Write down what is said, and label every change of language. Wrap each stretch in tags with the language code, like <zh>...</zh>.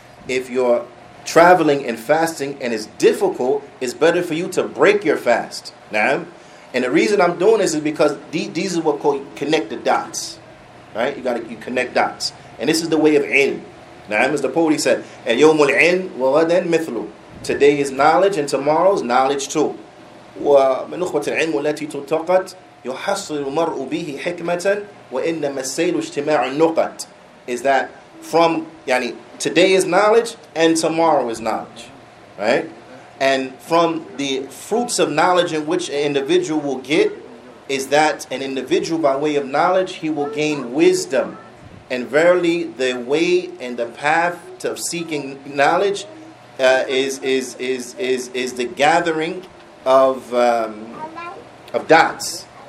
<en>If you're traveling and fasting and it's difficult, it's better for you to break your fast. Now, and the reason I'm doing this is because these are what called connect the dots. Right? You connect dots. And this is the way of ilm. Now, as the poet said,</en> <ar>"Al-yawmul ilm wa ghadan mithlu."</ar> <en>Today is knowledge and tomorrow's knowledge too.</en> <ar>ونخبة العلم التي تلتقت يحصل المرء به حكمة وإنما السيل اجتماع النقط.</ar> <en>Is that from يعني today is knowledge and tomorrow is knowledge, right? And from the fruits of knowledge in which an individual will get is that an individual by way of knowledge he will gain wisdom. And verily the way and the path of seeking knowledge is the gathering of dots.</en>